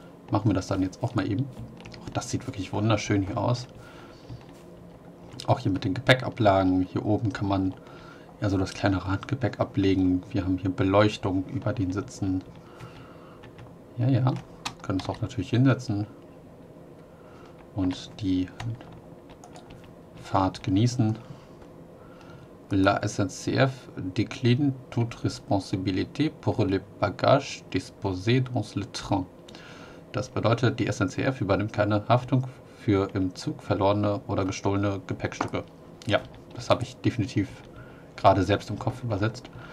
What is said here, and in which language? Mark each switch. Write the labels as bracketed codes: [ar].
[de] Machen wir das dann jetzt auch mal eben. Das sieht wirklich wunderschön hier aus. Auch hier mit den Gepäckablagen. Hier oben kann man ja, so das kleine Radgepäck ablegen. Wir haben hier Beleuchtung über den Sitzen. Ja, können es auch natürlich hinsetzen und die Fahrt genießen. [fr] La SNCF décline toute responsabilité pour le bagage disposé dans le train. [de] Das bedeutet, die SNCF übernimmt keine Haftung für im Zug verlorene oder gestohlene Gepäckstücke. Ja, das habe ich definitiv gerade selbst im Kopf übersetzt.